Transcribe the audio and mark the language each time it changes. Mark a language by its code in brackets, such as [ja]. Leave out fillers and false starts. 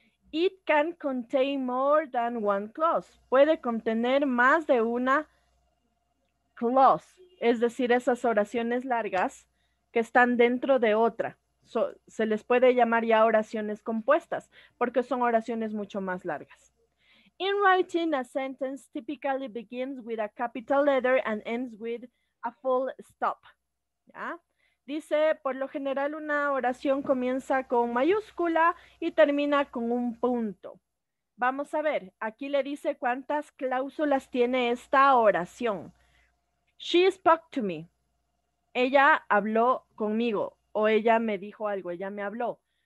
[en] It can contain more than one clause. [es] Puede contener más de una clause. Es decir, esas oraciones largas que están dentro de otra. Se les puede llamar ya oraciones compuestas, porque son oraciones mucho más largas. [en] In writing, a sentence typically begins with a capital letter and ends with a full stop. [es] ¿Ya? Dice, por lo general, una oración comienza con mayúscula y termina con un punto. Vamos a ver, aquí le dice cuántas cláusulas tiene esta oración. [en] She spoke to me. [es] Ella habló conmigo o ella me dijo algo, ella me habló.